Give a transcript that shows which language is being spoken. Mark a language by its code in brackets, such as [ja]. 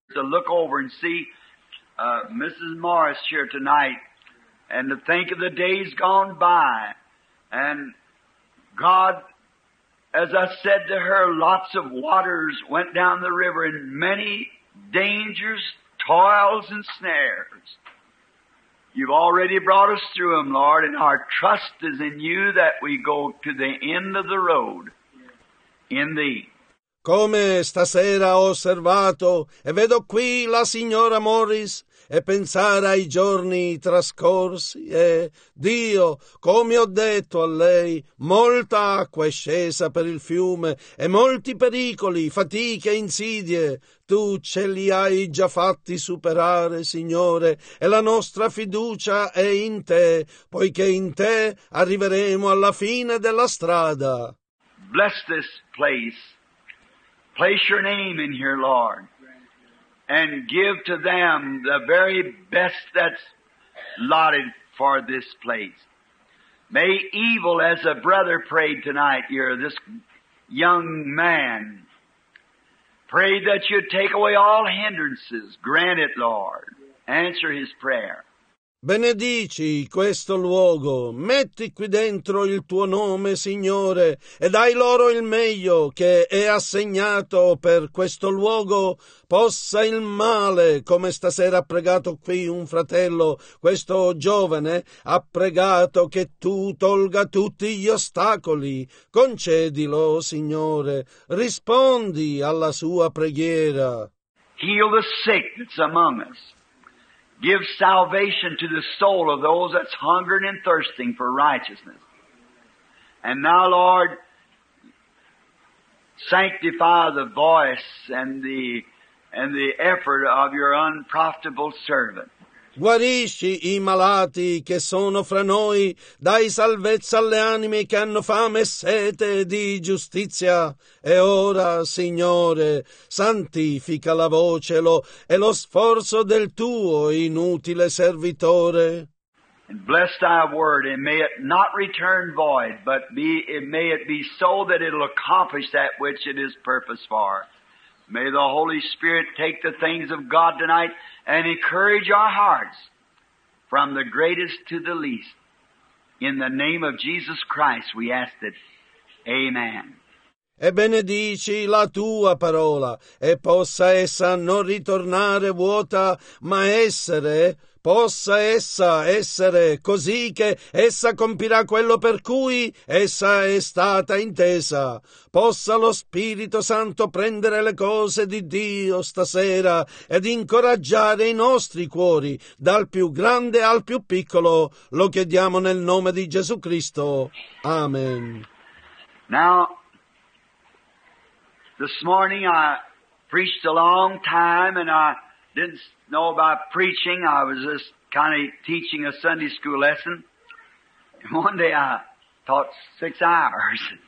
[en] To look over and see Mrs. Morris here tonight and to think of the days gone by. And God, as I said to her, lots of waters went down the river and many dangers, toils, and snares. You've already brought us through them, Lord, and our trust is in you that we go to the end of the road in thee. [it] Come stasera ho osservato e vedo qui la signora Morris e pensare ai giorni trascorsi e, Dio, come ho detto a lei, molta acqua è scesa per il fiume e molti pericoli, fatiche e insidie. Tu ce li hai già fatti superare, Signore, e la nostra fiducia è in te, poiché in te arriveremo alla fine della strada. [en] Bless this place. Place your name in here, Lord, and give to them the very best that's lotted for this place. May evil, as a brother prayed tonight, you're this young man, pray that you take away all hindrances. Grant it, Lord. Answer his prayer. [it] Benedici questo luogo, metti qui dentro il tuo nome, Signore, e dai loro il meglio che è assegnato per questo luogo. Possa il male, come stasera ha pregato qui un fratello, questo giovane, ha pregato che tu tolga tutti gli ostacoli. Concedilo, Signore, rispondi alla sua preghiera. [en] Heal the sick that's among us. Give salvation to the soul of those that's hungering and thirsting for righteousness. And now, Lord, sanctify the voice and the effort of your unprofitable servant. [it] Guarisci i malati che sono fra noi, dai salvezza alle anime che hanno fame e sete di giustizia. E ora, Signore, santifica la voce e lo sforzo del tuo inutile servitore. [en] And bless thy word, and may it not return void, but may it be so that it'll accomplish that which it is purposed for. May the Holy Spirit take the things of God tonight and encourage our hearts from the greatest to the least. In the name of Jesus Christ we ask it. Amen. [it] E benedici la tua parola, e possa essa non ritornare vuota, ma essere, possa essa essere così che essa compirà quello per cui essa è stata intesa. Possa lo Spirito Santo prendere le cose di Dio stasera ed incoraggiare i nostri cuori, dal più grande al più piccolo. Lo chiediamo nel nome di Gesù Cristo. Amen. [en] Now, this morning I preached a long time and I didn't know about preaching. I was just kind of teaching a Sunday school lesson. And one day I taught 6 hours.